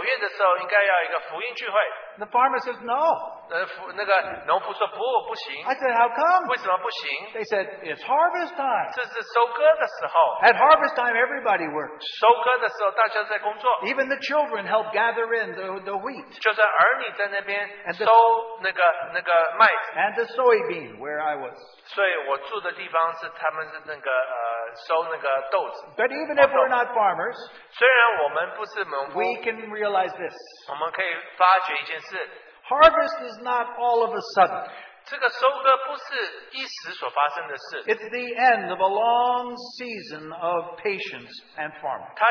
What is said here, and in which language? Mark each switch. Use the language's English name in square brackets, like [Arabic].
[Chinese] 所以我就有一次提到说，我们在九月的时候应该要一个福音聚会。 [English] The farmer says no. [Chinese] 那个农夫说不，不行。 [English] I said, how come? [Chinese] 为什么不行？ [English] They said, it's harvest time. [Chinese] 这是收割的时候。 [English] At harvest time, everybody works. [Chinese] 收割的时候，大家在工作。 [English] Even the children help gather in the wheat. [Chinese] 就是儿女在那边收那个麦子。 [English] And the soybean, where I was. [Chinese] 所以我住的地方是他们是那个收那个豆子。 [English] But even if we're not farmers, [Chinese] 虽然我们不是农夫, [English] we can realize this. [Chinese] 我们可以发觉一件事。 [English] Harvest is not all of a sudden. [Chinese] 这个收割不是一时所发生的事。 [English] It's the end of a long season of patience and farming.